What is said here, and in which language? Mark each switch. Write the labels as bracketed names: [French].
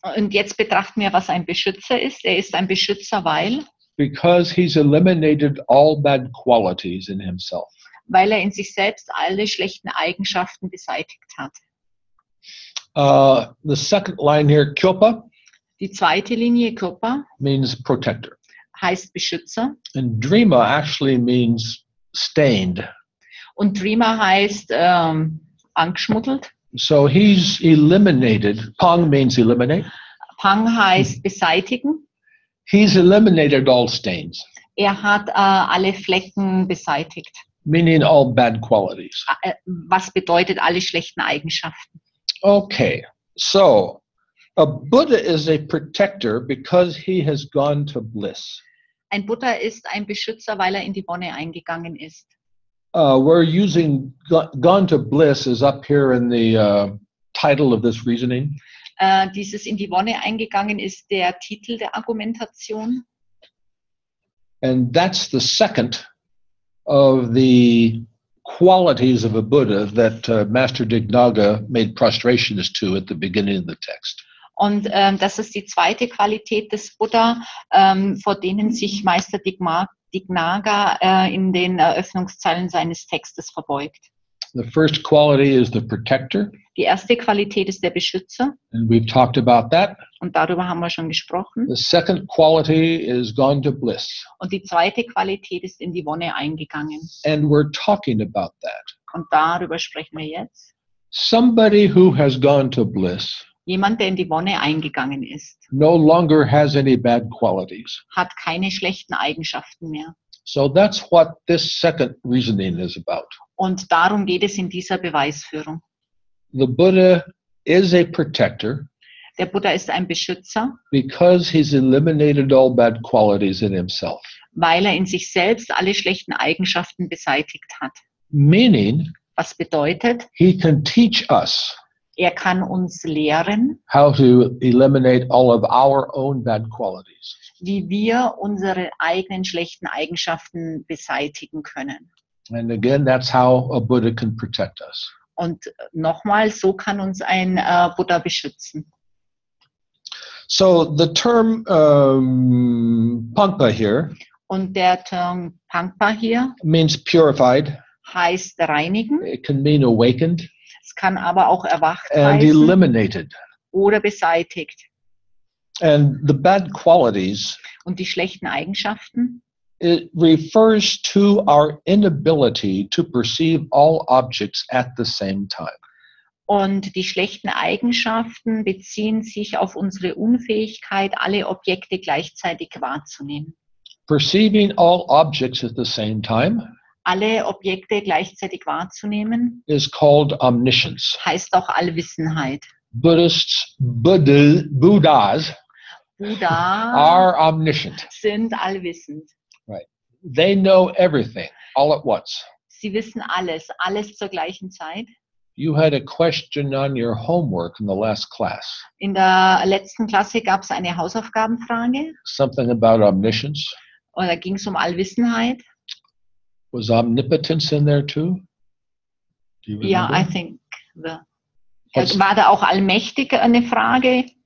[German] Und jetzt betrachten wir, was ein Beschützer ist. Er ist ein Beschützer, weil? [English] Because he's eliminated all bad qualities in himself. [German] Weil er in sich selbst alle schlechten Eigenschaften beseitigt hat. [English] The second line here, Kyopa. [German] Die zweite Linie, Kyopa. [English] Means protector. [German] Heißt Beschützer. [English] And Drima actually means stained. [German] Und Drima heißt angeschmuddelt. [English] So he's eliminated. Pang means eliminate. [German] Pang heißt beseitigen. [English] He's eliminated all stains. [German] Er hat alle Flecken beseitigt. [English] Meaning all bad qualities. [German] Was bedeutet alle schlechten Eigenschaften? [English] Okay, so a Buddha is a protector because he has gone to bliss. [German] Ein Buddha ist ein Beschützer, weil er in die Wonne eingegangen ist. [English] We're using gone to bliss is up here in the title of this reasoning. [German] Dieses in die Wonne eingegangen ist der Titel der Argumentation. [English] And that's the second of the qualities of a Buddha that Master Dignaga made prostrations to at the beginning of the text. [German] Und das ist die zweite Qualität des Buddha, vor denen sich Meister Dignaga in den Eröffnungszeilen seines Textes verbeugt. [English] The first quality is the protector. [German] Die erste Qualität ist der Beschützer. [English] And we've talked about that. [German] Und darüber haben wir schon gesprochen. [English] The second quality is gone to bliss. [German] Und die zweite Qualität ist in die Wonne eingegangen. [English] And we're talking about that. [German] Und darüber sprechen wir jetzt. [English] Somebody who has gone to bliss. [German] Jemand, der in die Wonne eingegangen ist. [English] No longer has any bad qualities. [German] Hat keine schlechten Eigenschaften mehr. [English] So that's what this second reasoning is about. [German] Und darum geht es in dieser Beweisführung. [English] The Buddha is a protector. [German] Der Buddha ist ein Beschützer. [English] Because he's eliminated all bad qualities in himself. [German] Weil er in sich selbst alle schlechten Eigenschaften beseitigt hat. [English] Meaning, [German] was bedeutet? [English] He can teach us. [German] Er kann uns lehren, [English] how to eliminate all of our own bad qualities. [German] Wie wir unsere eigenen schlechten Eigenschaften beseitigen können. [English] And again, that's how a Buddha can protect us. [German] Und nochmal, so kann uns ein Buddha beschützen. [English] So the term Pangpa here. [German] Und der Term Pangpa hier [English] means purified. [German] Heißt reinigen. [English] It can mean awakened. [German] Es kann aber auch erwacht heißen. [English] And eliminated. [German] Oder beseitigt. [English] And the bad qualities. [German] Und die schlechten Eigenschaften. [English] It refers to our inability to perceive all objects at the same time. [German] Und die schlechten Eigenschaften beziehen sich auf unsere Unfähigkeit, alle Objekte gleichzeitig wahrzunehmen. [English] Perceiving all objects at the same time. [German] Alle Objekte gleichzeitig wahrzunehmen. [English] Is called omniscience. [German] Heißt auch Allwissenheit. [English] Buddhists, Buddhas, [German] Buddha [English] are omniscient. [German] Sind allwissend. [English] They know everything, all at once. [German] Sie wissen alles, alles zur gleichen Zeit. [English] You had a question on your homework in the last class. [German] In der letzten Klasse gab es eine Hausaufgabenfrage. [English] Something about omniscience. [German] Oder ging es um Allwissenheit? [English] Was omnipotence in there too? Do you remember? Yeah, I think. [German] War da auch allmächtig eine Frage?